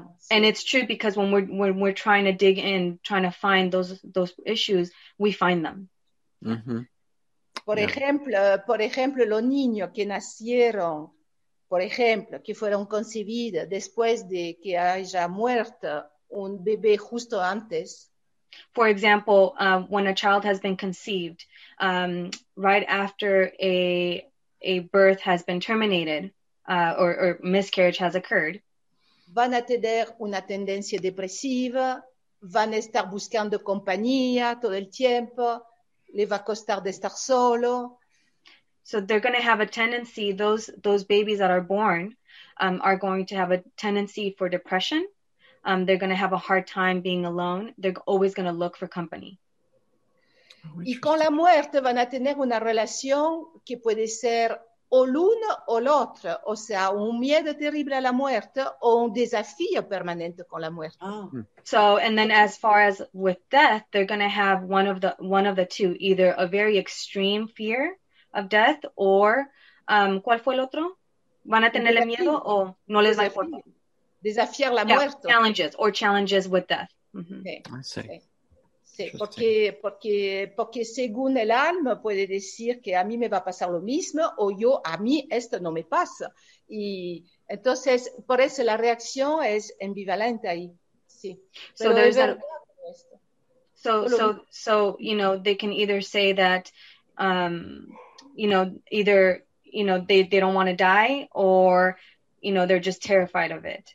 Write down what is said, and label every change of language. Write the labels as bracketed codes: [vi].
[en] And it's true, because when we're trying to dig in, trying to find those issues, we find them. Mm-hmm. [es] Por ejemplo, los niños que nacieron, por ejemplo, que fueron concebidos después de que haya muerto un bebé justo antes. [en] For example, when a child has been conceived, right after a birth has been terminated, or miscarriage has occurred. [es] Van a tener una tendencia depresiva, van a estar buscando compañía todo el tiempo, les va a costar de estar solo. [en] So they're going to have a tendency, those babies that are born are going to have a tendency for depression. They're going to have a hard time being alone. They're always going to look for company. [es] Y con la muerte van a tener una relación que puede ser o l'uno o l'otro, o sea, un miedo terrible a la muerte o un desafío permanente con la muerte. [en] Oh. So, and then as far as with death, they're going to have one of the two, either a very extreme fear of death, or [es] ¿cuál fue el otro? ¿Van a tener el miedo o no les va a importar? Desafiar la muerte. [en] Yeah, challenges, or challenges with death. Mm-hmm. Okay. I see. [es] Sí, porque según el alma puede decir que a mí me va a pasar lo mismo o yo, a mí esto no me pasa. Y entonces, por eso la reacción es ambivalente ahí. Sí. [en] So there's so you know, they can either say that, you know, either, you know, they don't want to die, or, you know, they're just terrified of it.